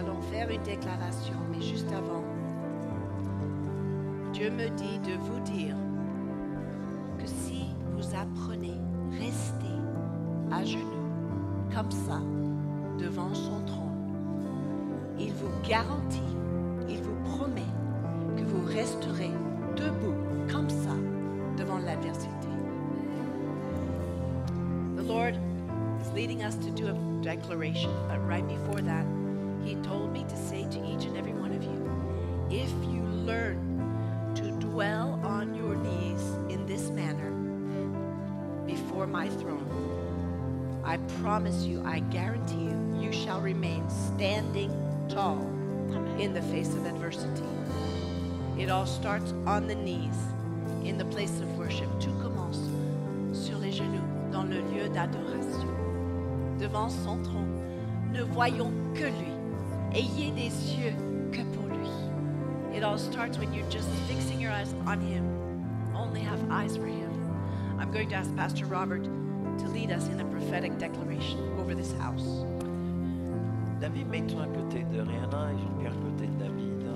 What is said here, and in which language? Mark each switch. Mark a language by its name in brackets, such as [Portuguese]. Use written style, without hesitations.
[French] faire une déclaration, mais juste avant, Dieu me dit de vous dire que si vous apprenez à rester à genoux comme ça devant son trône, il vous garantit, il vous promet que vous resterez debout comme ça devant l'adversité. [English] The Lord is leading us to do a declaration, but right before that, He told me to say to each and every one of you, if you learn to dwell on your knees in this manner before my throne, I promise you, I guarantee you, you shall remain standing tall in the face of adversity. It all starts on the knees, in the place of worship. [French] Tout commence sur les genoux, dans le lieu d'adoration, devant son trône. Ne voyons que lui. Ayez des yeux que pour lui. [English] It all starts when you're just fixing your eyes on him. Only have eyes for him. I'm going to ask Pastor Robert to lead us in a prophetic declaration over this house. [French] David, mets-toi à côté de Rihanna et je vais à côté de David.